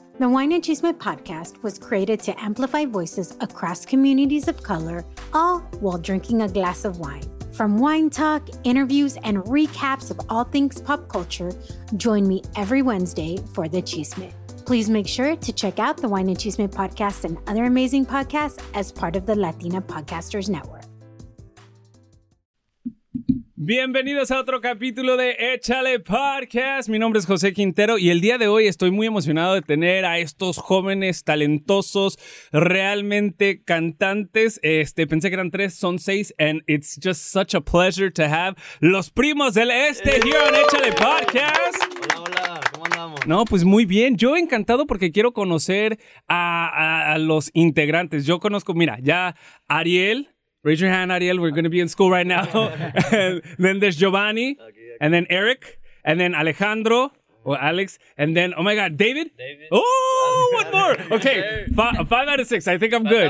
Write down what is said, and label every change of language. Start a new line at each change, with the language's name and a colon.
English: The Wine and Chisme podcast was created to amplify voices across communities of color, all while drinking a glass of wine. From wine talk, interviews, and recaps of all things pop culture, join me every Wednesday for the chisme. Please make sure to check out the Wine and Chisme podcast and other amazing podcasts as part of the Latina Podcasters Network.
Spanish: Bienvenidos a otro capítulo de Échale Podcast. Mi nombre es José Quintero y el día de hoy estoy muy emocionado de tener a estos jóvenes talentosos, realmente cantantes. Pensé que eran tres, son seis,
English: and it's just such a pleasure to have los Primos del Este here on Échale Podcast.
Spanish: Hola, hola. No, pues muy bien. Yo encantado porque quiero conocer a los integrantes. Yo conozco, mira, ya Ariel.
English: Raise your hand, Ariel. We're going to be in school right now. Then there's Giovanni. And then Eric. And then Alejandro. Or Alex. And then, oh my God, David? David. Oh, one more. Okay, five out of six. I think I'm good.